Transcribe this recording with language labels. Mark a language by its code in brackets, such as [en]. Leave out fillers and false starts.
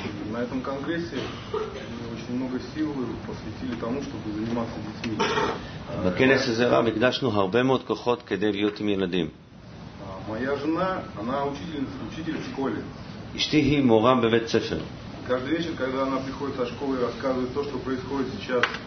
[ru] На этом конгрессе очень много сил посвятили тому, чтобы заниматься детьми. [he] בכנס הזה רב הקדשנו הרבה מאוד כוחות כדי להיות עם ילדים. [ru] Моя жена, она учитель в школе. [he] אשתי היא מורה בבית ספר. [ru] Каждый вечер, когда она приходит со школы и рассказывает то, что происходит сейчас,